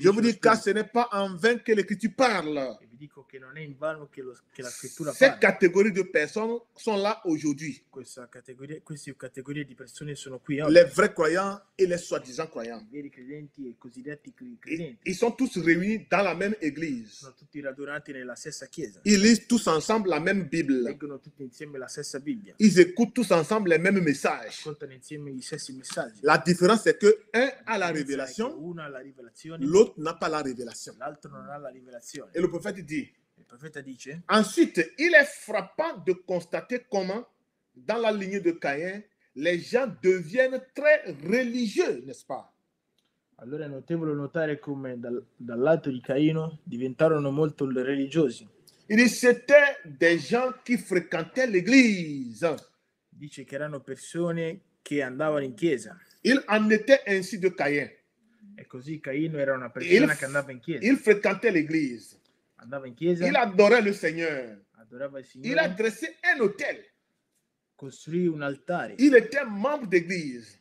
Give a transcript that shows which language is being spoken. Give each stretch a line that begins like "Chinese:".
French: Je vous dis car ce n'est pas en vain que l'Écriture parle.
Italian: E vi dico che non è in vano che che la Scrittura parla.
French: Cette catégorie de personnes sont là aujourd'hui.
Italian: Queste categorie di persone sono qui.
French: Les vrais croyants et les soi-disant croyants.
Italian: I veri credenti e i cosiddetti credenti.
French: Ils sont tous réunis dans la même église.
Italian: Sono tutti radunati nella stessa chiesa.
French: Ils lisent tous ensemble la même Bible.
Italian: Leggono tutti insieme la stessa Bibbia.
French: Ils écoutent tous ensemble les mêmes messages.
Italian: Ascoltano insieme gli stessi messaggi.
French: La différence est que un a la rivelazione.
Italian: Uno ha la rivelazione.
French: L'autre n'a pas la rivelazione.
Italian: L'altro non ha la rivelazione.
French: Et le prophète dit.
Italian: Il profeta dice.
French: Ensuite, il est frappant de constater comment dans la lignée de Caïn, les gens deviennent très religieux, n'est-ce pas?
Italian: Allora è notevole notare come dal lato di Caino diventarono molto religiosi.
French: Il dit, c'était des gens qui fréquentaient l'église.
Italian: Dice che erano persone che andavano in chiesa.
French: Il en était ainsi de Caïn.
Italian: E così Caino era una persona che andava in chiesa.
French: Il fréquentait l'église.
Italian: Andava in chiesa.
French: Il adorait le Seigneur.
Italian: Adorava il Signore.
French: Il a dressé un hôtel.
Italian: Costruì un altare.
French: Il était membre d'église.